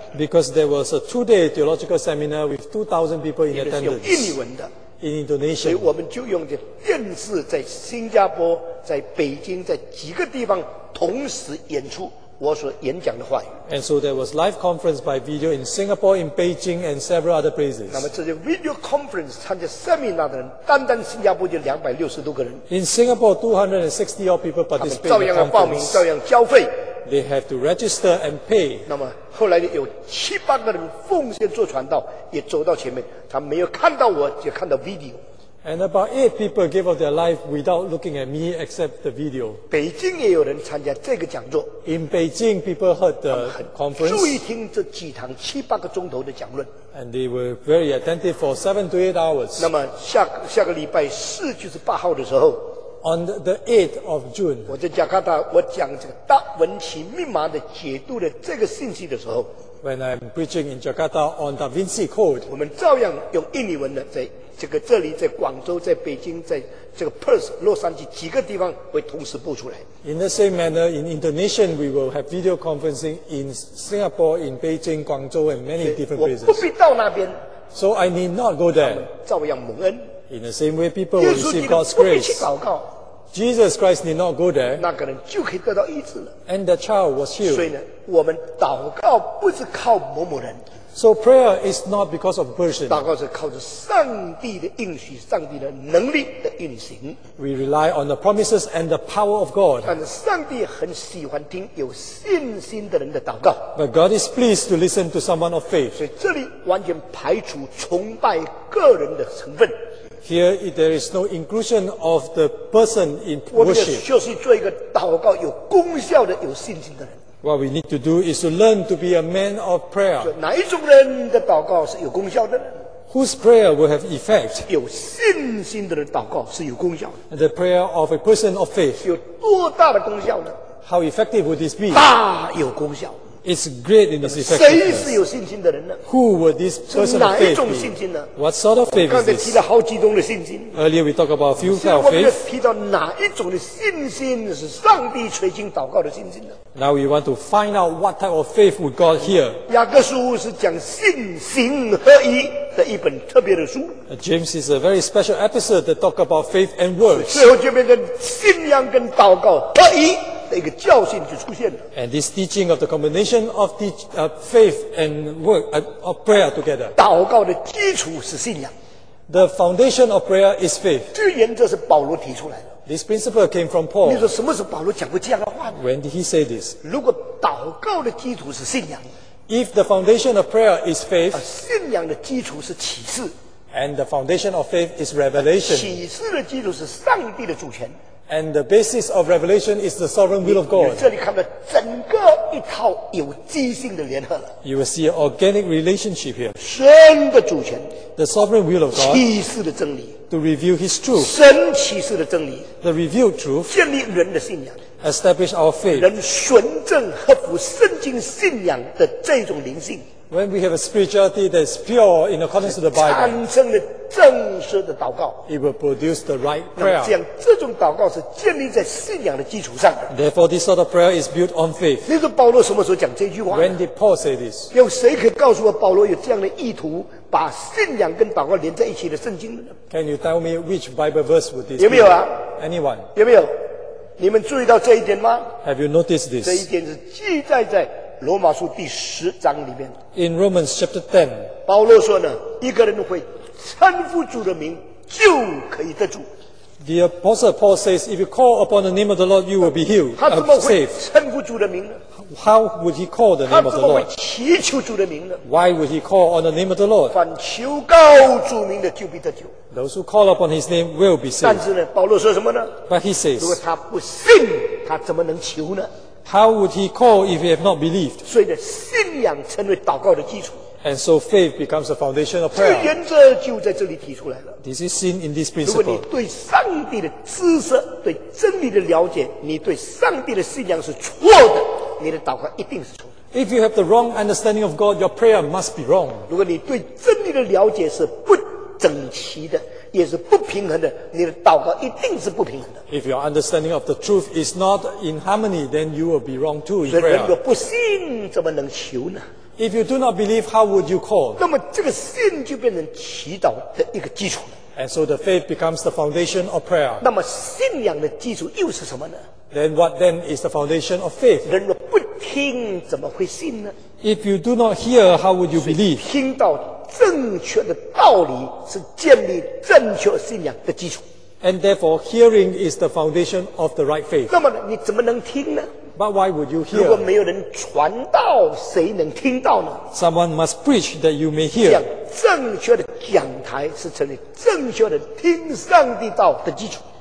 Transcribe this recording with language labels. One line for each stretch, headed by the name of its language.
English: Because there was a two-day theological seminar with 2,000 people in attendance.
Chinese: 因为是用印尼文的。
English: In Indonesia.
Chinese: 所以我们就用这电视在新加坡、在北京、在几个地方同时演出。我所演讲的话语。
English: And so there was live conference by video in Singapore, in Beijing, and several other places.
Chinese: 那么这些 video conference 参加 seminar 的人，单单新加坡就260多个人。
English: In Singapore, 260 odd people participated.
Chinese: 他们照样要报名，照样交费。
English: They have to register and pay.
Chinese: 那么后来有七八个人奉献做传道，也走到前面，他没有看到我，就看到 video。
English: And about 8 people gave up their life without looking at me except the video.
Chinese: 北京也有人参加这个讲座。
English: In Beijing, people heard the conference.
Chinese: 注意听这几堂七八个钟头的讲论。
English: And they were very attentive for 7 to 8 hours.
Chinese: 那么下个礼拜四就是八号的时候。
English: On the 8th of June.
Chinese: 我在加拿大，我讲这个达文奇密码的解读的这个信息的时候。
English: When I'm preaching in Jakarta on Da Vinci Code.
Chinese: 我们照样用印尼文的在。这个这里在广州，在北京，在这个 Perth 洛杉矶几个地方会同时播出来。
English: In the same manner, in Indonesia, we will have video conferencing in Singapore, in Beijing, Guangzhou, and many different places.
Chinese: 我不必到那边。
English: So I need not go there.
Chinese: 照样蒙恩。
English: In the same way, people will receive God's grace.
Chinese: 不必去祷告。
English: Jesus Christ need not go there.
Chinese: 那个人就可以得到医治了。
English: And the child was healed.
Chinese: 所以呢，我们祷告不是靠某某人。
English: So prayer is not because of person.
Chinese: 祷告是靠着上帝的应许，上帝的能力的运行。
English: We rely on the promises and the power of God.
Chinese: 但是上帝很喜欢听有信心的人的祷告。
English: But God is pleased to listen to someone of faith.
Chinese: 所以这里完全排除崇拜个人的成分。
English: Here there is no inclusion of the person in worship.
Chinese: 我们就是做一个祷告有功效的、有信心的人。
English: What we need to do is to learn to be a man of prayer.
Chinese: 哪一种人的祷告是有功效的？
English: Whose prayer will have effect?
Chinese: 有信心的人祷告是有功效的。
English: The prayer of a person of faith.
Chinese: 有多大的功效呢？
English: How effective would this be?
Chinese: 大有功效。
English: It's great in its effectiveness.
Chinese: 谁是有信心的人呢？
English: Who would this person of faith be?
Chinese: 是哪一种信心呢？
English: What sort of faith is this?
Chinese: 刚才提了好几种的信心。
English: Earlier we talked about a few kinds of faith.
Chinese: 现在我们要提到哪一种的信心是上帝垂听祷告的信心呢？
English: Now we want to find out what type of faith we got here.
Chinese: 雅各书是讲信心合一的一本特别的书。
English: James is a very special episode that talk about faith and works.
Chinese: 最后就变成信仰跟祷告合一的一个教训就出现了。
English: And this teaching of the combination of faith and work, of prayer together.
Chinese: 祷告的基础是信仰。
English: The foundation of prayer is faith.
Chinese: 这个原则是保罗提出来的。
English: This principle came from Paul.
Chinese: 你说什么时候保罗讲过这样的话呢？
English: When did he say this?
Chinese: 如果祷告的基础是信仰，
English: If the foundation of prayer is faith,
Chinese: 信仰的基础是启示，
English: And the foundation of faith is revelation,
Chinese: 启示的基础是上帝的主权，
English: And the basis of revelation is the sovereign will of God.
Chinese: 你这里看到整个一套有机性的联合了，
English: You will see an organic relationship here.
Chinese: 神的主权，
English: The sovereign will of God.
Chinese: 启示的真理，
English: To reveal His truth,
Chinese: 神启示的真理
English: ，the revealed truth,
Chinese: 建立人的信仰
English: ，establish our faith,
Chinese: 人纯正合乎圣经信仰的这种灵性
English: ，when we have a spirituality that is pure in accordance to the Bible,
Chinese: 产生了正式的祷告
English: ，it will produce the right prayer.
Chinese: 这样这种祷告是建立在信仰的基础上
English: ，therefore this sort of prayer is built on faith.
Chinese: 你说保罗什么时候讲这句话
English: ？When did Paul say this?
Chinese: 有谁可以告诉我保罗有这样的意图？把信仰跟祷告连在一起的圣经呢
English: ？Can you tell me which Bible verse would this be?
Chinese: 有没有啊
English: ？Anyone?
Chinese: 有没有？你们注意到这一点吗
English: ？Have you noticed this?
Chinese: 这一点是记载在罗马书第十章里面。
English: In Romans chapter 10,
Chinese: 保罗说呢，一个人会称呼主的名，就可以得主。
English: The apostle Paul says, if you call upon the name of the Lord, you will be healed.
Chinese: 他怎么会称呼主的名呢？
English: How would he call the name of the Lord?
Chinese: 他怎么会祈求主的名呢？
English: Why would he call on the name of the Lord?
Chinese: 凡求告主名的就必得救。
English: Those who call upon his name will be saved.
Chinese: 但是呢，保罗说什么呢？
English: But he says,
Chinese: 如果他不信，他怎么能求呢？
English: How would he call if he have not believed?
Chinese: 所以呢，信仰成为祷告的基础。
English: And so faith becomes the foundation of prayer.
Chinese: 这原则就在这里提出来了。
English: This is seen in this principle.
Chinese: 如果你对上帝的知识、对真理的了解，你对上帝的信仰是错的。你的祷告一定是错的。
English: If you have the wrong understanding of God, your prayer must be wrong.
Chinese: 如果你对真你的了解是不整齐的，也是不平衡的，你的祷告一定是不平衡的。
English: If your understanding of the truth is not in harmony, then you will be wrong too in prayer.
Chinese: 所以人若不信，怎么能求呢？
English: If you do not believe, how would you call?
Chinese: 那么这个信就变成祈祷的一个基础了。
English: And so the faith becomes the foundation of prayer.
Chinese: 那么信仰的基础又是什么呢？
English: Then what then is the foundation of faith?
Chinese: 人若不听，怎么会信呢？
English: If you do not hear, how would you believe?
Chinese: 听到正确的道理是建立正确信仰的基础。
English: And therefore, hearing is the foundation of the right faith.
Chinese: 那么你怎么能听呢？
English: But why would you hear?
Chinese: 如果没有人传道，谁能听到呢？
English: Someone must preach that you may hear.
Chinese: 讲正确的讲台是成立正确的听上帝道的基础。